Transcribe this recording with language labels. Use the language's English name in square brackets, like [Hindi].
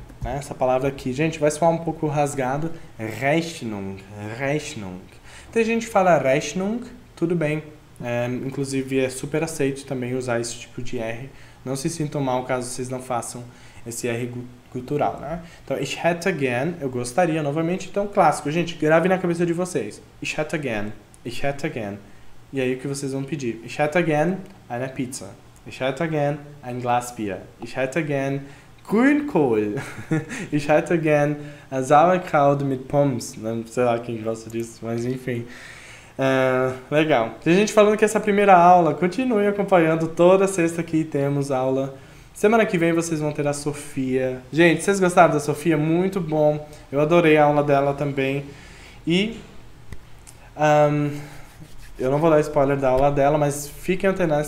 [Portuguese] Essa palavra aqui, gente, vai soar um pouco rasgado. Rechnung, Rechnung. Tem gente que fala Rechnung, tudo bem. Inclusive é super aceito também usar esse tipo de R. Não se sintam mal caso vocês não façam esse R gutural, né? Então, ich hätte gern, eu gostaria novamente. Então, clássico, gente, grave na cabeça de vocês. [German] Ich hätte gern, ich hätte gern. [Portuguese] E aí o que vocês vão pedir? [German] Ich hätte gern eine Pizza. Ich hätte gern ein Glas Bier. Ich hätte gern Grünkohl. Ich hätte gern Sauerkraut mit Pommes. [Portuguese] Não sei lá quem gosta disso, mas enfim. Legal. Tem gente falando que essa primeira aula, continue acompanhando. Toda sexta aqui temos aula. Semana que vem vocês vão ter a Sofia. Gente, vocês gostaram da Sofia? Muito bom. Eu adorei a aula dela também. E eu não vou dar spoiler da aula dela, mas fiquem antenados.